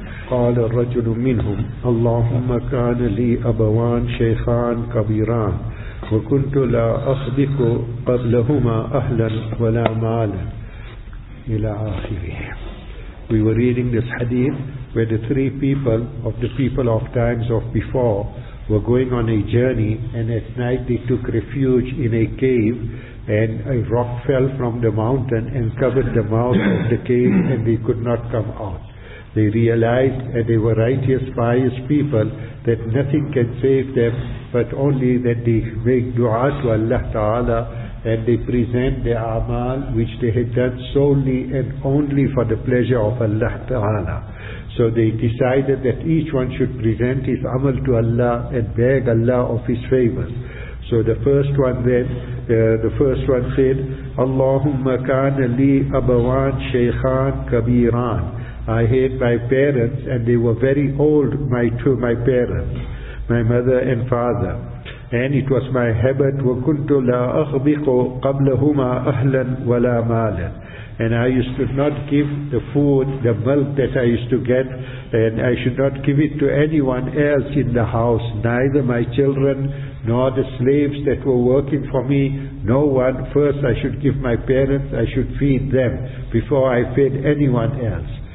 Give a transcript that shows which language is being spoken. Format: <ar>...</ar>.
<ar>قال الرجل منهم: اللهم كان لي أبوان شيخان كبيران، وكنت لا أخذك قبلهما أهلا ولا مالا، إلى آخره.</ar> <en>We were reading this hadith where the three people of the people of times of before were going on a journey, and at night they took refuge in a cave, and a rock fell from the mountain and covered the mouth of the cave, and they could not come out. They realized, and they were righteous, pious people, that nothing can save them, but only that they make dua to Allah Ta'ala, and they present the amal which they had done solely and only for the pleasure of Allah Ta'ala. So they decided that each one should present his amal to Allah and beg Allah of his favors. So the first one then, the first one said,</en> <ar>Allahumma kana li abawan shaykhan kabiran.</ar> <en>I had my parents, and they were very old, my parents, my mother and father. And it was my habit,</en> <ar>وَكُنْتُ لَا أَخْبِقُ قَبْلَهُمَا أَهْلًا وَلَا مَالًا.</ar> <en>And I used to not give the food, the milk that I used to get, and I should not give it to anyone else in the house, neither my children, nor the slaves that were working for me, no one. First I should give my parents, I should feed them, before I fed anyone else.</en>